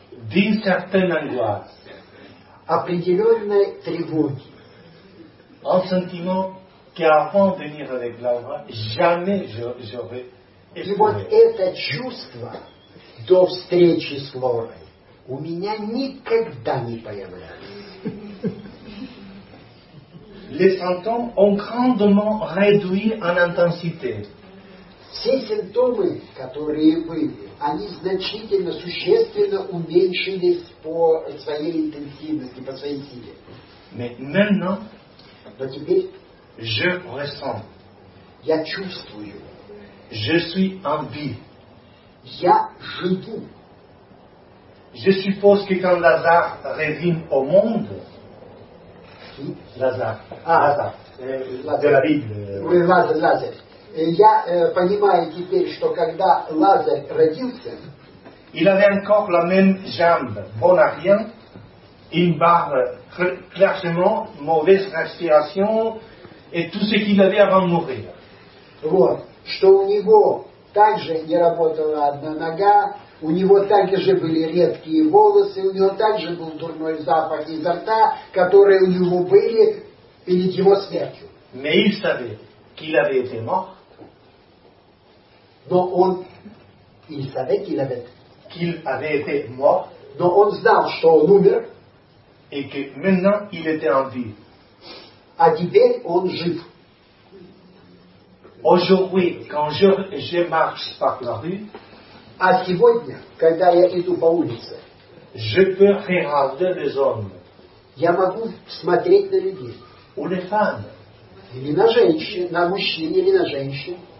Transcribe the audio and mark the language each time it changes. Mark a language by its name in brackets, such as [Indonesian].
[French] d'une certaine angoisse. [Russian] Определенной тревоги. [French] Un sentiment qu'avant de venir avec Laura, jamais j'aurais éprouvé. [Russian] И вот это чувство до встречи с Лорой у меня никогда не появлялось. [French] Les symptômes ont grandement réduit en intensité. [Russian] Все симптомы, которые были, они значительно, существенно уменьшились по своей интенсивности, по своей силе. [French] Mais maintenant, [Russian] но теперь [French] je ressens, [Russian] я чувствую. [French] Je suis en vie. [Russian] Я живу. [French] Je suppose que quand Lazare revient au monde, qui? Lazare. Ah, Lazare. Lazare. De la Bible. Oui, Lazare, Lazare. [Russian] Я понимаю теперь, что когда Лазарь родился, [French] il avait encore la même jambe, bon à rien, une barre clairement mauvaise respiration et tout ce qu'il avait avant de mourir. [Russian] Вот, что у него также не работала одна нога, у него также были редкие волосы, у него также был дурной запах изо рта, которые у него были перед его смертью. [French] Mais il savait qu'il avait été mort. [Russian] Но он и [French] savait qu'il avait été mort, [Russian] но он знал, что он умер, [French] et que maintenant il était en vie. [Russian] А теперь он жив. [French] Aujourd'hui, quand je marche par la rue, [Russian] а сегодня, когда я иду по улице, [French] je peux regarder les hommes, [Russian] я могу смотреть на людей, [French] ou les femmes, [Russian] или на женщин, на мужчин или на женщин.